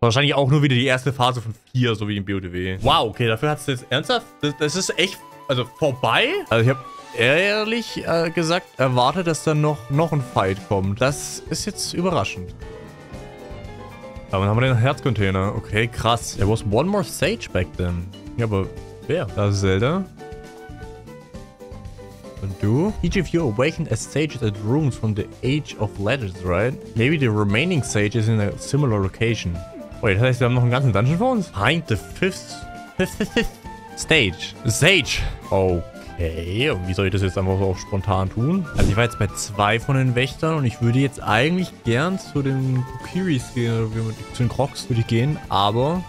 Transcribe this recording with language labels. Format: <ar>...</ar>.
<de>Wahrscheinlich auch nur wieder die erste Phase von 4, so wie im BOTW. Wow, okay, dafür hat es jetzt ernsthaft... Das ist echt... Also, vorbei? Also, ich habe... ehrlich gesagt erwartet, dass da noch ein Fight kommt. Das ist jetzt überraschend. Dann haben wir den Herzcontainer. Okay, krass.</de> <en>There was one more Sage back then.</en> <de>Ja, aber wer? Da ist Zelda. Und du?</de> <en>Each of you awakened as sages at runes from the Age of Legends, right? Maybe the remaining sage is in a similar location. Wait,</en> <de>das heißt, wir haben noch einen ganzen Dungeon vor uns?</de> <en>Find the fifth stage. Sage.</en> <de>Okay, und wie soll ich das jetzt einfach so auch spontan tun? Also ich war jetzt bei 2 von den Wächtern und ich würde jetzt eigentlich gern zu den Kokiris gehen, zu den Crocs würde ich gehen, aber...</de>